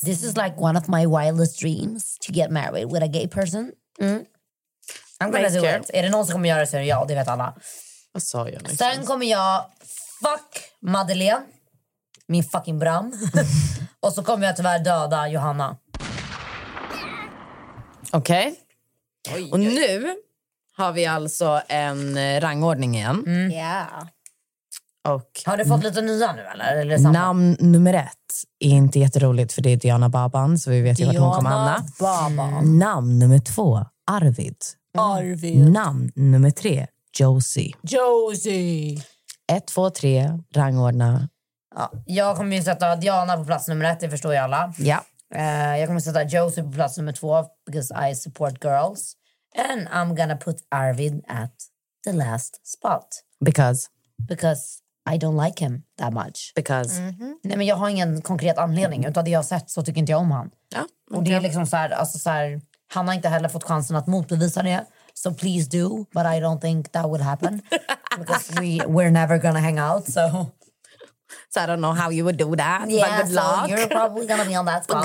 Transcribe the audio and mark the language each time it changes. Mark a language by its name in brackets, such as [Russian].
[English] This is like one of my wildest dreams, to get married with a gay person. Mm. I'm gonna do it. [Swedish] Är det någon som kommer göra det så är det jag, det vet alla. Vad sa jag? Sen kommer jag fuck Madeleine, min fucking bram. Och så kommer jag tyvärr döda Johanna. Okej. Okay. Oj. Och nu har vi alltså en rangordning igen. Ja. Mm. Yeah. Och har du fått lite nya nu eller samma? Namn nummer ett är inte jätteroligt för det är Diana Baban, så vi vet ju vart hon kommer hamna. Namn nummer två, Arvid. Arvid. Namn nummer tre, Josie. Josie. 1, 2, 3, rangordna. Ja, jag kommer ju sätta Diana på plats nummer ett, det förstår ju alla. Ja. Jag kommer sätta Josie på plats nummer två, [English] because I support girls. And I'm gonna put Arvid at the last spot. Because I don't like him that much. Because [Swedish] Nej, men jag har ingen konkret anledning. Utav det jag har sett så tycker inte jag om han. Ja, okay. Och det är liksom såhär, alltså såhär, han har inte heller fått chansen att motbevisa det. [English] So please do, but I don't think that would happen. Because we're never gonna hang out. So so I don't know how you would do that. Yeah, but good luck. You're probably gonna be on that spot.